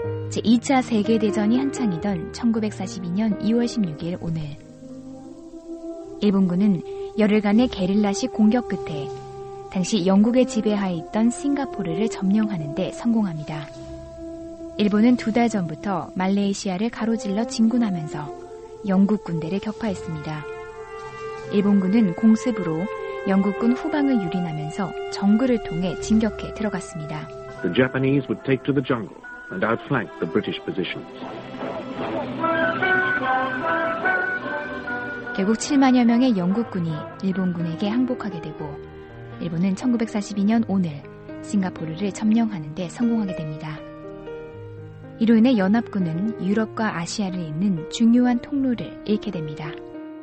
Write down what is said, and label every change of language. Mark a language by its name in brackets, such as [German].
[Korean] 제2차 세계대전이 한창이던 1942년 2월 16일 오늘 일본군은 열흘간의 게릴라식 공격 끝에 당시 영국의 지배하에 있던 싱가포르를 점령하는 데 성공합니다. 일본은 두 달 전부터 말레이시아를 가로질러 진군하면서 영국 군대를 격파했습니다. 일본군은 공습으로 영국군 후방을 유린하면서 정글을 통해 진격해 들어갔습니다. [English] The Japanese would take to the jungle and outflank the British positions. [Korean] 결국 7만여 명의 영국군이 일본군에게 항복하게 되고 일본은 1942년 오늘 싱가포르를 점령하는 데 성공하게 됩니다. 이로 인해 연합군은 유럽과 아시아를 잇는 중요한 통로를 잃게 됩니다.